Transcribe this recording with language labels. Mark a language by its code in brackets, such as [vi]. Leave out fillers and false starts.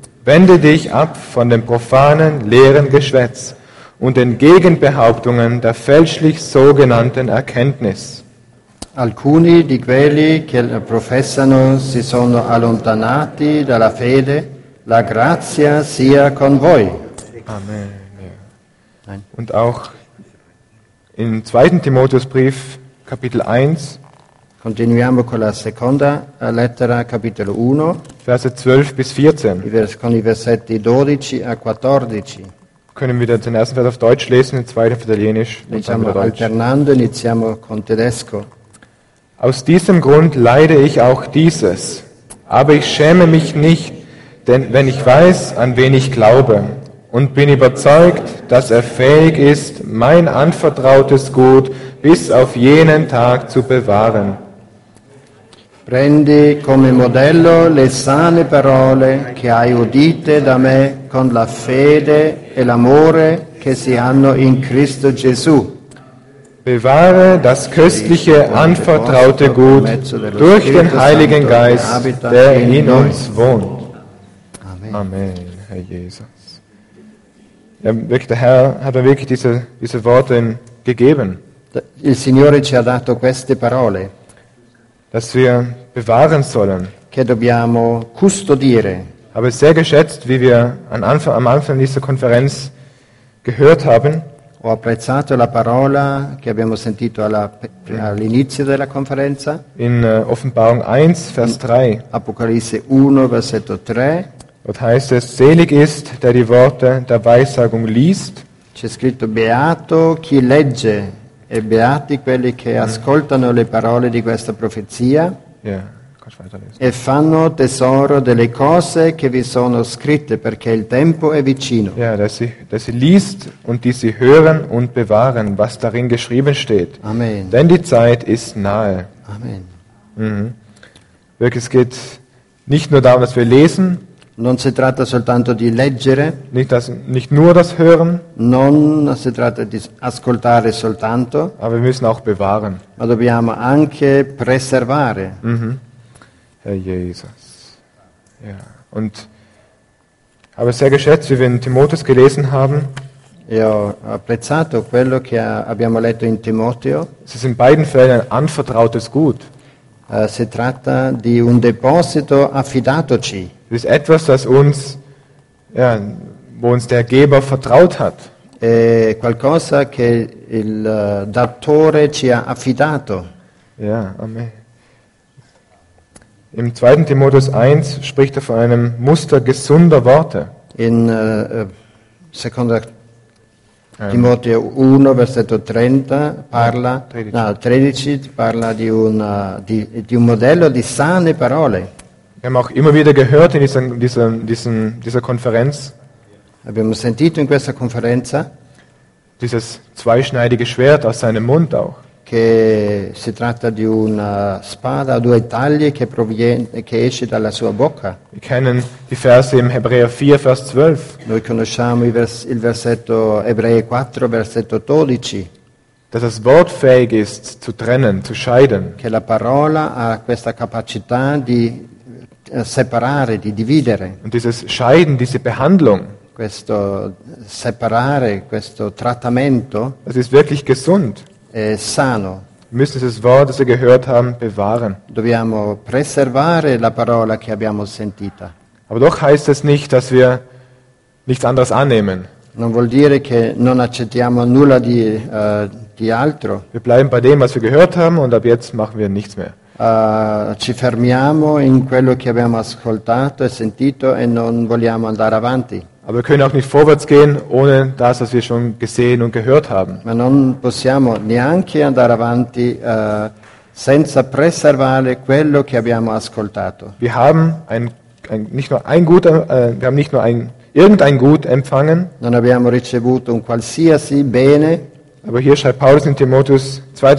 [de] Wende dich ab von dem profanen, leeren Geschwätz und den Gegenbehauptungen der fälschlich sogenannten Erkenntnis. [it] Alcuni di quelli che professano si sono allontanati dalla fede. La grazia sia con voi. [de] Amen. Und auch im 2. Timotheusbrief, Kapitel 1. [it] Continuiamo con la seconda lettera, capitolo 1. [de] Verse 12 bis 14. [it] Con i versetti 12 a 14. [de] Können wir den ersten Vers auf Deutsch lesen, den zweiten auf Italienisch. [it] Leggiamo alternando, iniziamo con tedesco. [de] Aus diesem Grund leide ich auch dieses, aber ich schäme mich nicht, denn wenn ich weiß, an wen ich glaube und bin überzeugt, dass er fähig ist, mein anvertrautes Gut bis auf jenen Tag zu bewahren. [it] Prendi come modello le sane parole che hai udite da me con la fede e l'amore che si hanno in Cristo Gesù. [de] Bewahre das christliche anvertraute Gut durch den Heiligen Geist, der in uns wohnt. Amen, Herr Jesus. Ja, wirklich, der Herr hat mir wirklich diese Worte gegeben. [it] Il Signore ci ha dato queste parole. [de] Dass wir bewahren sollen. [it] Che dobbiamo custodire. [de] Habe sehr geschätzt, wie wir am Anfang dieser Konferenz gehört haben. [it] Ho apprezzato la parola che abbiamo sentito all'inizio della conferenza. [de] In Offenbarung 1, Vers 3. [it] Apocalisse 1, versetto 3. [de] Dort heißt es: Selig ist, der die Worte der Weissagung liest. [it] C'è scritto: Beato chi legge. E beati quelli che ascoltano le parole di questa profezia e fanno tesoro delle cose che vi sono scritte, perché il tempo è vicino. [de] Ja, dass sie liest und die sie hören und bewahren, was darin geschrieben steht. Amen. Denn die Zeit ist nahe. Amen. Wirklich, es geht nicht nur darum, dass wir lesen. [it] Non si tratta soltanto di leggere. [de] Nicht nur das Hören. [it] Non si tratta di ascoltare soltanto. [de] Aber wir müssen auch bewahren. [it] Ma dobbiamo anche preservare. [de] Herr Jesus. Ja. Und habe sehr geschätzt, wie wir in Timotheus gelesen haben. [it] E ho apprezzato quello che abbiamo letto in Timoteo. [de] Es ist in beiden Fällen ein anvertrautes Gut. [it] Si tratta di un deposito affidatoci. [de] Es ist etwas, das uns, ja, wo uns der Geber vertraut hat. [it] È qualcosa che il datore ci ha affidato. [de] Ja, amen. Im 2. Timotheus 1 spricht er von einem Muster gesunder Worte. [it] In 2. Timoteo 1, versetto 30, parla, 13 parla di un modello di sane parole. [de] Wir haben auch immer wieder gehört in dieser Konferenz. [it] Abbiamo sentito in questa conferenza. [de] Dieses zweischneidige Schwert aus seinem Mund auch. [it] Che si tratta di una spada a due tagli che esce dalla sua bocca. [de] Wir kennen die Verse im Hebräer 4, Vers 12. [it] Noi conosciamo il versetto Ebrei 4, versetto 12. [de] Dass das Wort fähig ist, zu trennen, zu scheiden. [it] Che la parola ha questa capacità di separare, di dividere. [de] Und dieses Scheiden, diese Behandlung, [it] questo separare, questo trattamento, [de] das ist wirklich gesund. [it] È sano. [de] Wir müssen dieses Wort, das wir gehört haben, bewahren. [it] Dobbiamo preservare la parola che abbiamo sentita. [de] Aber doch heißt es nicht, dass wir nichts anderes annehmen. [it] Non vuol dire che non accettiamo nulla di altro. [de] Wir bleiben bei dem, was wir gehört haben, und ab jetzt machen wir nichts mehr. [it] Ci fermiamo in quello che abbiamo ascoltato e sentito e non vogliamo andare avanti. [de] Aber wir können auch nicht vorwärts gehen ohne das, was wir schon gesehen und gehört haben. [it] Ma non possiamo neanche andare avanti senza preservare quello che abbiamo ascoltato. [de] Wir haben irgendein Gut empfangen. [it] Non abbiamo ricevuto un qualsiasi bene. [de] Aber hier schreibt Paulus in 2.